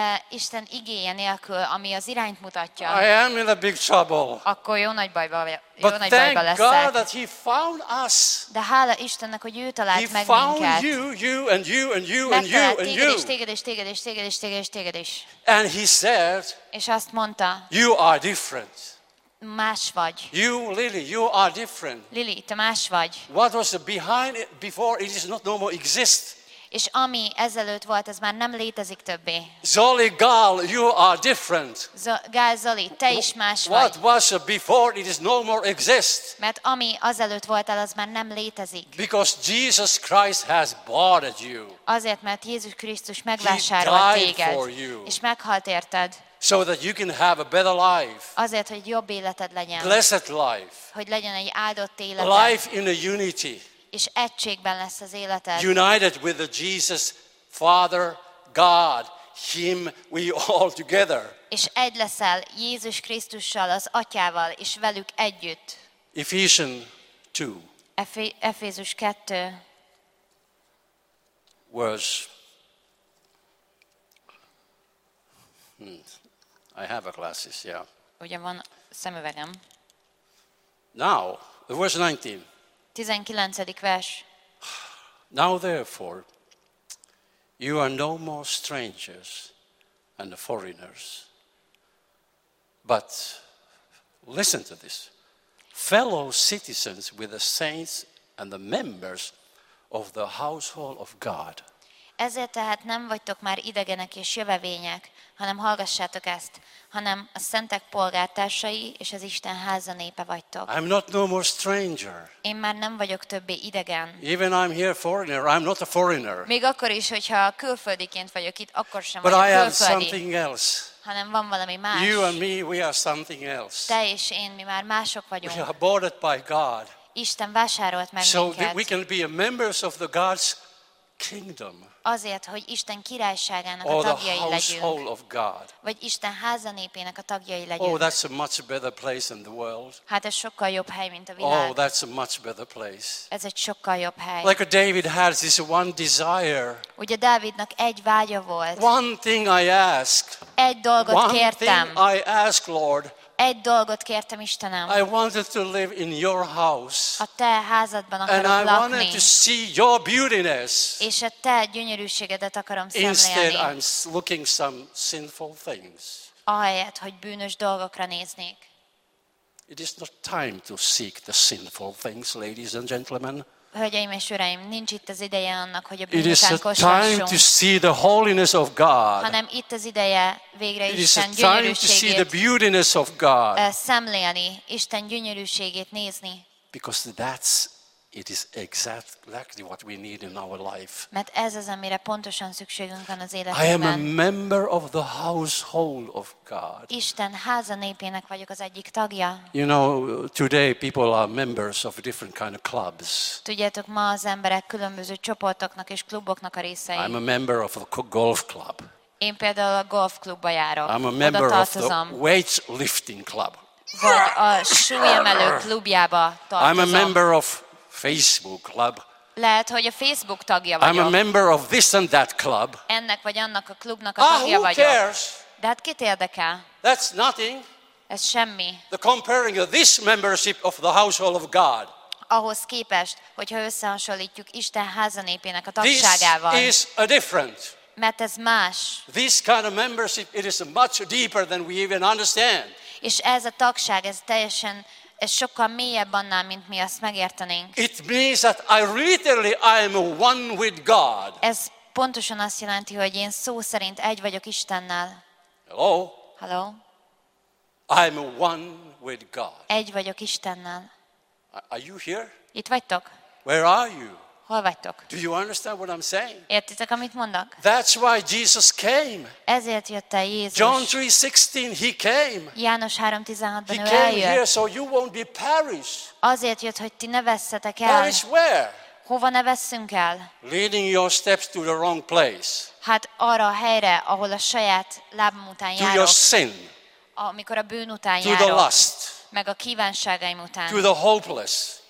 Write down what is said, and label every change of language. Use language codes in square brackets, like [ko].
[hu] Isten igéje nélkül, ami az irányt mutatja. [en] I am in a big trouble. [hu] Akkor jó nagy bajba leszek. [en] But thank God that he found us. [hu] De hála Istennek, hogy ő talált meg minket. [en] He found you and you and you and you and you. [hu] Téged is. [en] And he said, [hu] és azt mondta, [en] you are different. [hu] Más vagy. [en] You, Lily, you are different. [hu] Lily, te más vagy. [en] What was behind it before, it is not normal exist. [hu] És ami ezelőtt volt, az már nem létezik többé. [en] Zoli Gal, you are different. [hu] Gal Zoli, te is más vagy. [en] What was before, it is no more exist. [hu] Mert ami azelőtt volt, az már nem létezik. [en] Because Jesus Christ has bought you. [hu] Azért, mert Jézus Krisztus megvásárolt téged. És meghalt érted. [en] So that you can have a better life. [hu] Azért, hogy jobb életed legyen. [en] Blessed life. [hu] Hogy legyen egy áldott életed. [en] Life in a unity. [hu] És egységben lesz az életed. [en] United with the Jesus Father God, him we all together. [hu] És egy leszel Jézus Krisztussal, az Atyával és velük együtt. [en] Ephesians 2. [hu] Efézus 2. [en] Verse. I have a glasses, yeah. [hu] Ugye van szemüvegem. [en] Now, verse 19. [hu] 19. vers. [en] Now therefore, you are no more strangers and foreigners, but listen to this, fellow citizens with the saints and the members of the household of God. [hu] Ezért tehát nem vagytok már idegenek és jövevények, hanem hallgassátok ezt, hanem a szentek polgártársai és az Isten háza népe vagytok. [en] I'm not no more stranger. [hu] Én már nem vagyok többé idegen. [en] Even I'm here foreigner, I'm not a foreigner. [hu] Még akkor is, hogyha külföldiként vagyok itt, akkor sem [en] But [hu] vagyok [en] I [hu] külföldi. [en] Have something else. [hu] Hanem van valami más. [en] You and me, we are something else. [hu] Te és én, mi már mások vagyunk. [en] We are bought by God. [hu] Isten vásárolt meg [en] so [hu] minket. [en] So we can be a members of the God's kingdom. [hu] Azért, hogy Isten királyságának a tagjai legyünk. Vagy Isten házanépének a tagjai legyünk. [en] Oh, that's a much better place than the world. [hu] Hát ez sokkal jobb hely, mint a világ. [en] Oh, that's a much better place. [hu] Ez egy sokkal jobb hely. [en] Like a David has this one desire. [hu] Ugye Dávidnak egy vágya volt. [en] One thing I ask. [hu] Egy dolgot kértem. [en] One thing I ask, Lord. [hu] Egy dolgot kértem, Istenem. [en] I wanted to live in your house. [hu] A te házadban akarok [en] and I [hu] lakni. [en] Wanted to see your beautiness. [hu] És a te gyönyörűségedet akarom szemlélni. [en] Instead, I'm looking some sinful things. [hu] Ahelyett, hogy bűnös dolgokra néznék. [en] It is not time to seek the sinful things, ladies and gentlemen. [hu] Hölgyeim és uraim, nincs itt az ideje annak, hogy a bűnöket kóstoljuk. [en] It is time to see the holiness of God. [hu] Hanem itt az ideje végre Isten gyönyörűségét. [en] It is time to see the beautiness of God. [hu] Szemlélni, Isten gyönyörűségét nézni. [en] Because that's it is exactly what we need in our life. [hu] Mert ez az, amire pontosan szükségünk van az életünkben. [en] I am a member of the household of God. [hu] Isten házanépének vagyok az egyik tagja. [en] You know, today people are members of different kind of clubs. [hu] Tudjátok, ma az emberek különböző csoportoknak és kluboknak a részei. [en] I'm a member of a golf club. [hu] Én például a golfklubba járok. [en] I'm a member of the weightlifting club. [hu] Vagy a súlyemelő klubjába tartozom. [en] I'm a member of Facebook club. [hu] Lehet, hogy a Facebook tagja vagyok. [en] I'm a member of this and that club. [hu] Ennek vagy annak a klubnak a tagja [en] who [hu] vagyok. [en] Cares? [hu] De hát kit érdekel? [en] That's nothing. [hu] Ez semmi. [en] The comparing of this membership of the household of God. [hu] Ahhoz képest, hogyha összehasonlítjuk Isten házanépének a tagságával. [en] This is a different. [hu] Mert ez más. [en] This kind of membership it is much deeper than we even understand. [hu] És ez a tagság, ez teljesen ez sokkal mélyebb annál, mint mi azt megértenénk. [en] It means that I literally I am one with God. [hu] Ez pontosan azt jelenti, hogy én szó szerint egy vagyok Istennel. [en] Hello. Hello. I am one with God. [hu] Egy vagyok Istennel. [en] Are you here? [hu] Itt vagytok. [en] Where are you? [hu] Hol vagytok? [en] Do you understand what I'm saying? [hu] Értitek, amit mondok? [en] That's why Jesus came. [hu] Ezért jött el Jézus. [en] John 3:16, he came. [hu] János 3:16-ban ő eljött. [en] He came here so you won't be perished. [hu] Azért jött, hogy ti ne vesszetek el. [en] Perish where? [hu] Hova ne vesszünk el? [en] Leading your steps to the wrong place. [hu] Hát arra a helyre, ahol a saját lábam után járok. [en] To your sin. [hu] Amikor a bűn után [en] to [hu] járok. [en] To the lust. [hu] Meg a kívánságaim után. [en] To the hopeless.